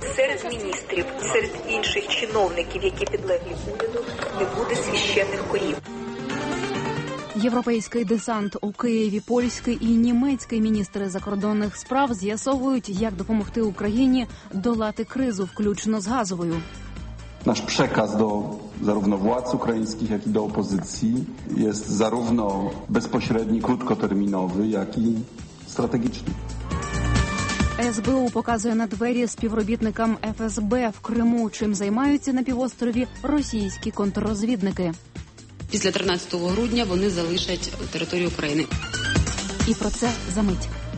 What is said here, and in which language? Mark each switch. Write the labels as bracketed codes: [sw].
[uk] Серед міністрів, серед інших чиновників, які підлеглі уряду, не буде священних корів. Європейський десант у Києві. Польський і німецький міністри закордонних справ з'ясовують, як допомогти Україні долати кризу, включно з газовою. Наш переказ до [pl] зарówno władz ukraińskich, jak i do opozycji jest zarówno bezpośredni, krótkoterminowy, jak i strategiczny. [uk] СБУ показує на двері співробітникам ФСБ в Криму, чим займаються на півострові російські контррозвідники. Після 13 грудня вони залишать територію України. І про це за мить.